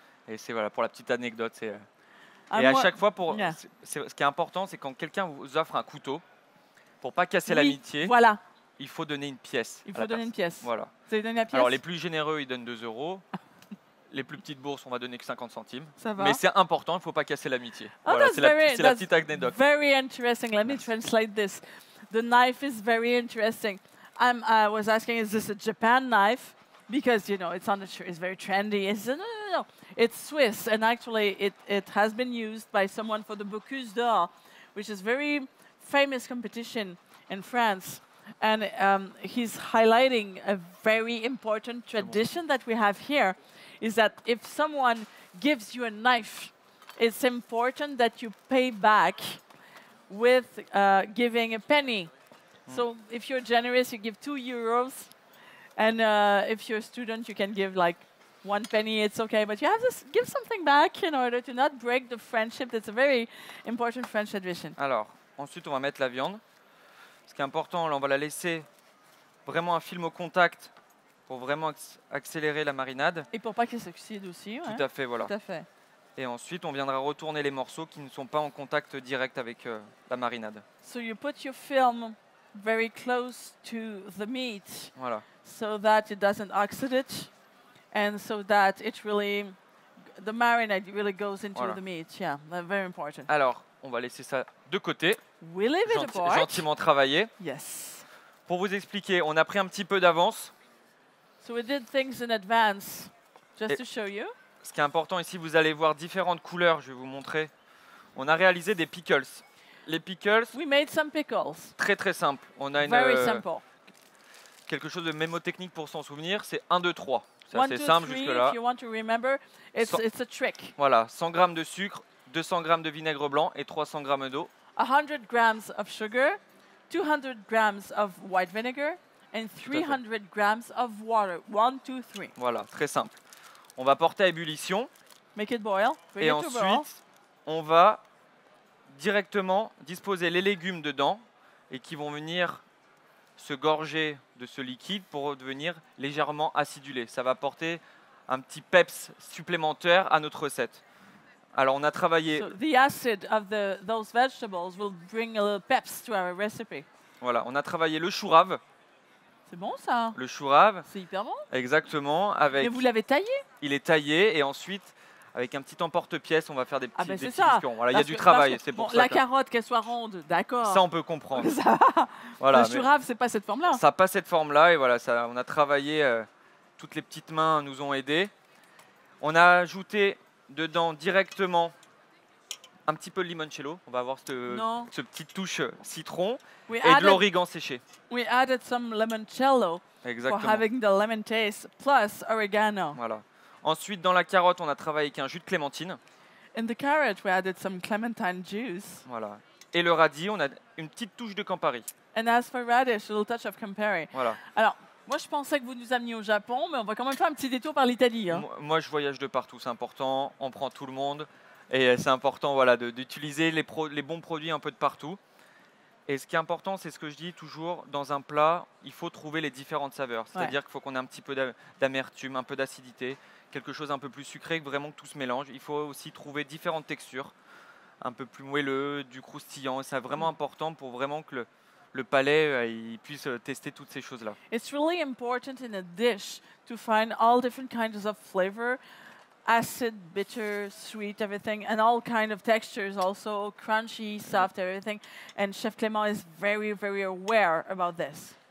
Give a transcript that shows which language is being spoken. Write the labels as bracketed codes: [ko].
[fr] Et c'est voilà, pour la petite anecdote, c'est... Et à chaque fois, ce qui est important, c'est quand quelqu'un vous offre un couteau, pour ne pas casser l'amitié, voilà. Il faut donner une pièce. Il faut donner une pièce. Voilà. Vous avez donné la pièce ? Alors, les plus généreux, ils donnent 2 euros. Les plus petites bourses, on va donner que 50 centimes. Ça va. Mais c'est important, il ne faut pas casser l'amitié. Oh, voilà, c'est la petite anecdote. [en] Very interesting. Let me translate this. The knife is very interesting. I was asking, is this a Japan knife? Because, you know, it's on the tree, it's very trendy. I said, no. It's Swiss, and actually it has been used by someone for the Bocuse d'Or, which is a very famous competition in France. And he's highlighting a very important tradition that we have here, is that if someone gives you a knife, it's important that you pay back with giving a penny. So if you're generous, you give 2 euros. And if you're a student, you can give like 1 penny, it's okay. But you have to give something back in order to not break the friendship. It's a very important French tradition. [fr] Alors, ensuite, on va mettre la viande. Ce qui est important, là, on va la laisser vraiment un film au contact pour vraiment accélérer la marinade. Et pour pas qu'elle s'oxyde aussi. Tout à fait, voilà. Tout à fait. Et ensuite, on viendra retourner les morceaux qui ne sont pas en contact direct avec la marinade. [en] So you put your film very close to the meat. [fr] Voilà. [en] So that it doesn't oxidate it, and so that it really, the marinade really goes into the meat. Yeah, very important. [fr] Alors, on va laisser ça de côté. [en] We leave it apart. [fr] Gentiment travaillé. [en] Yes. [fr] Pour vous expliquer, on a pris un petit peu d'avance. [en] So we did things in advance, just to show you. [fr] Ce qui est important ici, vous allez voir différentes couleurs. Je vais vous montrer. On a réalisé des pickles. Les pickles. [en] We made some pickles. [fr] Très très simple. On a [en] very simple. [fr] Quelque chose de mnémotechnique pour s'en souvenir, c'est 1, 2, 3. C'est assez simple jusque-là. [en] If you want to remember, it's a trick. [fr] Voilà, 100 g de sucre, 200 g de vinaigre blanc et 300 g d'eau. [en] 100 g of sugar, 200 g of white vinegar and 300 g of water. 1, 2, 3. [fr] Voilà, très simple. On va porter à ébullition. [en] Make it boil. [fr] Et ensuite, on va directement disposer les légumes dedans et qui vont venir se gorger de ce liquide pour devenir légèrement acidulé. Ça va apporter un petit peps supplémentaire à notre recette. Alors, on a travaillé. [en] So the acid of those vegetables will bring a little peps to our recipe. [fr] Voilà, on a travaillé le chou rave. C'est bon ça. Le chou rave. C'est hyper bon. Exactement. Avec. Mais vous l'avez taillé. Il est taillé et ensuite, avec un petit emporte-pièce, on va faire des petits biscuits. Ah ben c'est ça. Voilà, il y a du travail, c'est pour bon, ça. La carotte, qu'elle soit ronde, d'accord. Ça, on peut comprendre. Ça va. Voilà, le chou-rave, ce n'est pas cette forme-là. Ça n'a pas cette forme-là. Et voilà, ça, on a travaillé, toutes les petites mains nous ont aidés. On a ajouté dedans directement un petit peu de limoncello. On va avoir cette petite touche citron et de l'origan séché. [en] We added some limoncello. [fr] Exactement. [en] For having the lemon taste plus oregano. [fr] Voilà. Ensuite, dans la carotte, on a travaillé avec un jus de clémentine. [en] In the carrot, we added some clementine juice. [fr] Voilà. Et le radis, on a une petite touche de Campari. [en] And as for radish, a little touch of Campari. [fr] Voilà. Alors, moi, je pensais que vous nous ameniez au Japon, mais on va quand même faire un petit détour par l'Italie. Hein. Moi, je voyage de partout, c'est important. On prend tout le monde. Et c'est important voilà, d'utiliser les bons produits un peu de partout. Et ce qui est important, c'est ce que je dis toujours, dans un plat, il faut trouver les différentes saveurs. C'est-à-dire qu'il faut qu'on ait un petit peu d'amertume, un peu d'acidité, quelque chose un peu plus sucré, que vraiment que tout se mélange. Il faut aussi trouver différentes textures, un peu plus moelleux, du croustillant. C'est vraiment important pour vraiment que le palais il puisse tester toutes ces choses-là. [en] It's really important in a dish to find all different kinds of flavor, acid, bitter, sweet, everything, and all kinds of textures also, crunchy, soft, everything. And Chef Clément is very, very aware about this.